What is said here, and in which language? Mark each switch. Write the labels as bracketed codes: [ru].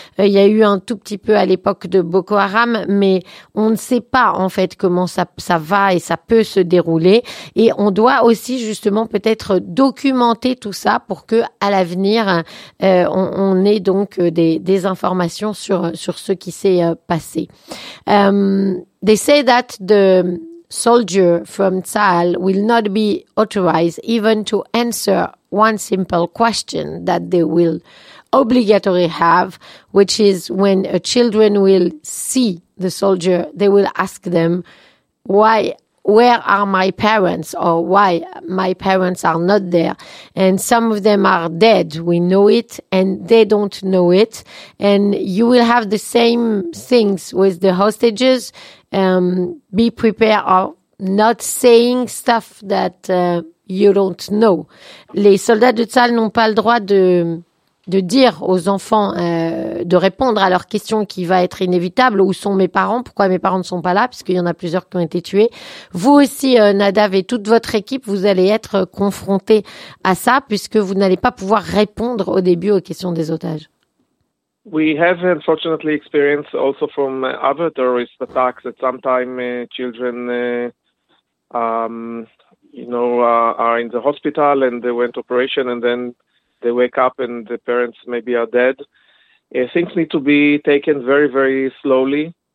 [fr] Il y a eu un tout petit peu à l'époque de Boko Haram, mais on ne sait pas en fait comment ça va et ça peut se dérouler. Et on doit aussi justement peut-être documenter tout ça pour que à l'avenir, on ait donc des informations sur ce qui s'est passé. [en] They say that the soldier from Tzal will not be authorized even to answer one simple question that they will obligatory have, which is when a children will see the soldier, they will ask them, why, where are my parents, or why my parents are not there? And some of them are dead, we know it, and they don't know it. And you will have the same things with the hostages. Be prepared of not saying stuff that you don't know. [fr] Les soldats de Tzal n'ont pas le droit de dire aux enfants, de répondre à leur question qui va être inévitable. Où sont mes parents? Pourquoi mes parents ne sont pas là? Puisqu'il y en a plusieurs qui ont été tués. Vous aussi, Nadav, et toute votre équipe, vous allez être confrontés à ça, puisque vous n'allez pas pouvoir répondre au début aux questions des otages. [en] We have unfortunately experienced also from other terrorist attacks that sometimes children, you know, are in the hospital and they went operation and then they wake up and the parents maybe are dead. Things need to be taken very, very slowly.